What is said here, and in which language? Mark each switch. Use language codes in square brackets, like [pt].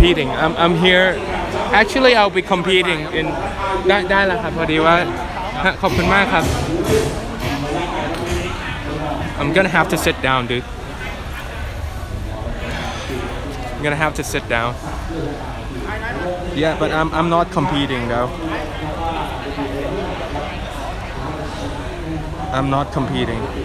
[en] I'm here. Actually, I'll be competing in... [th] ได้แล้วครับพอดีว่าขอบคุณมากครับ [en] I'm gonna have to sit down, dude. I'm gonna have to sit down. Yeah, but I'm not competing, though. I'm not competing.